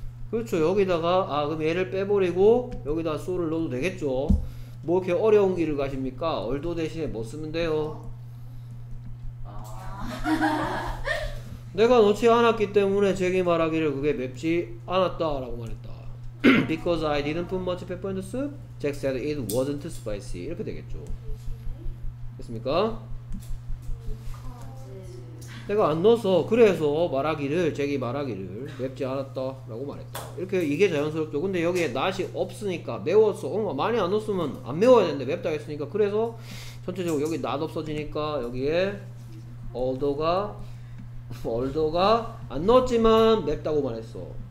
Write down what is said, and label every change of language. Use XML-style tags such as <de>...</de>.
<ko>그렇죠. 여기다가 아 그럼 얘를 빼버리고 여기다 소를 넣어도 되겠죠. 뭐 이렇게 어려운 길을 가십니까? 얼도 대신에 뭐 쓰면 돼요? 내가 놓지 않았기 때문에 제게 말하기를 그게 맵지 않았다 라고 말했다.</ko> <en>Because I didn't put much pepper in the soup, Jack said it wasn't spicy.</en> <ko>이렇게 되겠죠. 됐습니까? 내가 안 넣어서 그래서 말하기를 제게 말하기를 맵지 않았다 라고 말했다. 이렇게 이게 자연스럽죠. 근데 여기에 not이 없으니까 매워서 뭔가 많이 안 넣었으면 안 매워야 되는데 맵다 했으니까 그래서 전체적으로 여기 not 없어지니까 여기에 although가 안 넣었지만 맵다고 말했어.</ko>